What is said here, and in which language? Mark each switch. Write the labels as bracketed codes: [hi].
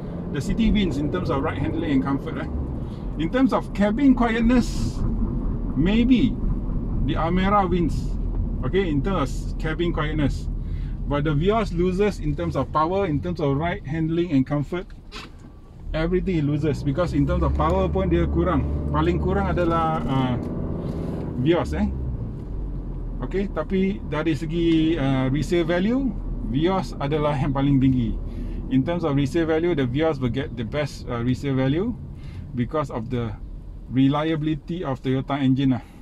[en] The City wins in terms of ride handling and comfort eh. In terms of cabin quietness, maybe the Almera wins. Okay, in terms of cabin quietness. But the Vios loses in terms of power, in terms of ride handling and comfort. Everything it loses, because in terms of power [ms] pun dia kurang. Paling kurang adalah Vios eh. Okay, tapi dari segi resale value, Vios adalah yang paling tinggi. [en] In terms of resale value, the Vios will get the best resale value because of the reliability of Toyota engine lah.